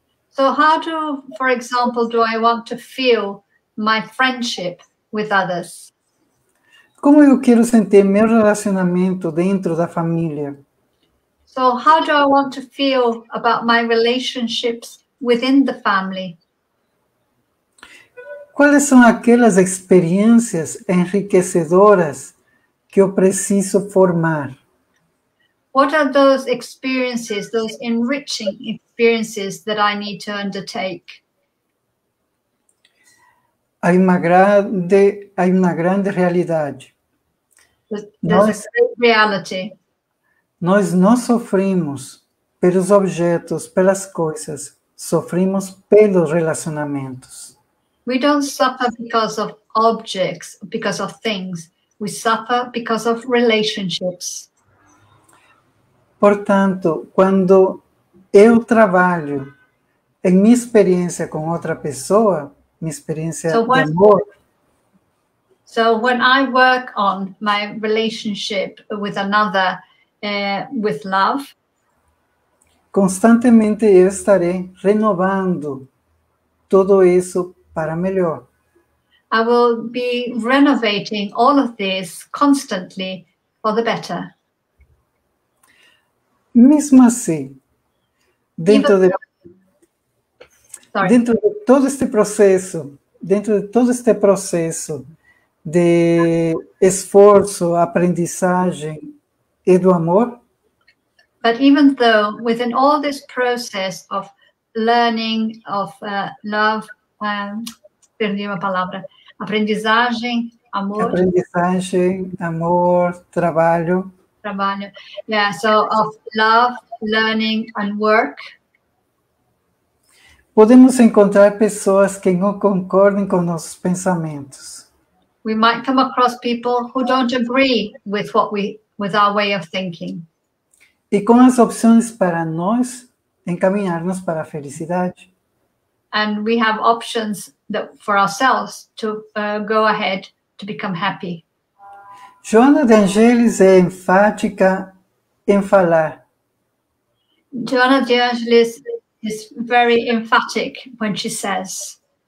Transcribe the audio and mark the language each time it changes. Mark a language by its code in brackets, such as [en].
[en] So how do, for example, do I want to feel my friendship with others? [pt] Como eu quero sentir meu relacionamento dentro da família? [en] So how do I want to feel about my relationships within the family? [es] ¿Cuáles son aquellas experiencias enriquecedoras que yo preciso formar? [en] What are those experiences, those enriching experiences that I need to undertake? [es] Hay una grande realidad. [en] There's a great reality. [pt] Nós não sofrimos pelos objetos, pelas coisas, sofrimos pelos relacionamentos. [en] We don't suffer because of objects, because of things. We suffer because of relationships. [pt] Portanto, quando eu trabalho em minha experiência com outra pessoa, minha experiência de amor. [en] So when I work on my relationship with another, with love, [pt] constantemente eu estarei renovando tudo isso para melhor. [en] I will be renovating all of this constantly for the better. [pt] Mesmo assim, dentro de todo este processo, de esforço, aprendizagem e do amor. [en] But even though within all this process of learning, of love, [pt] perdi uma palavra, aprendizagem, amor, trabalho. [en] Trabalho, yeah, so of love, learning and work. [pt] Podemos encontrar pessoas que não concordem com nossos pensamentos. [en] We might come across people who don't agree with our way of thinking. [pt] E com as opções para nós encaminharmos para a felicidade. [en] And we have options that for ourselves to go ahead to become happy. [pt] Joana de Angelis é enfática em falar. [en] Joana de Angelis is very emphatic when she says,